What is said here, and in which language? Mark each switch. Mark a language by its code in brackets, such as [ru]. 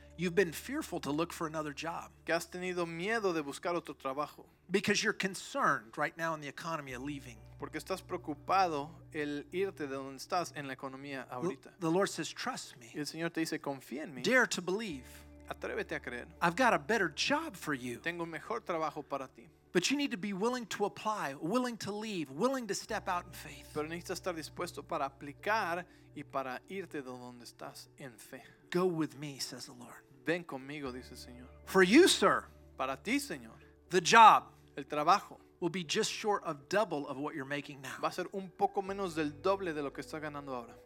[en] You've been fearful to look for another job. [es] Que has tenido miedo de buscar otro trabajo. [en] Because you're concerned right now in the economy of leaving. [es] Porque estás preocupado el irte de donde estás en la economía ahorita. [en] The Lord says, trust me. [es] Y el Señor te dice, confía en mí. [en] Dare to believe. [es] Atrévete a creer. [en] I've got a better job for you. [es] Tengo un mejor trabajo para ti. [en] But you need to be willing to apply, willing to leave, willing to step out in faith. [es] Pero necesitas estar dispuesto para aplicar y para irte de donde estás en fe. [en] Go with me, says the Lord. [es] Ven conmigo, dice el Señor. [en] For you, sir. [es] Para ti, Señor. [en] The job. [es] El trabajo. [en] Will be just short of double of what you're making now. [es] Va a ser un poco menos del doble de lo que estás ganando ahora.